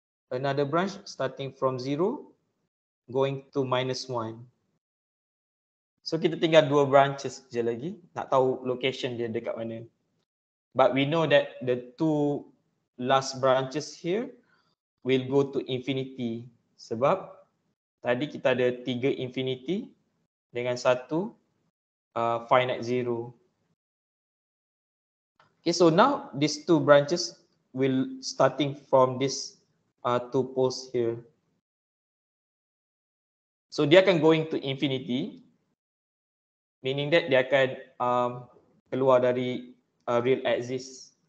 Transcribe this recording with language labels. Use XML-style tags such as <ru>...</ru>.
<en>Another branch starting from 0 going to minus 1.</en> <ms>So kita tinggal dua branches je lagi. Nak tahu location dia dekat mana.</ms> <en>But we know that the two last branches here will go to infinity.</en> <ms>Sebab tadi kita ada tiga infinity dengan satu finite zero.</ms> <en>Okay, so now these two branches will starting from this two poles here. So</en> <ms>dia akan</ms> <en>going to infinity, meaning that</en> <ms>dia akan keluar dari</ms> <en>real axis.</en>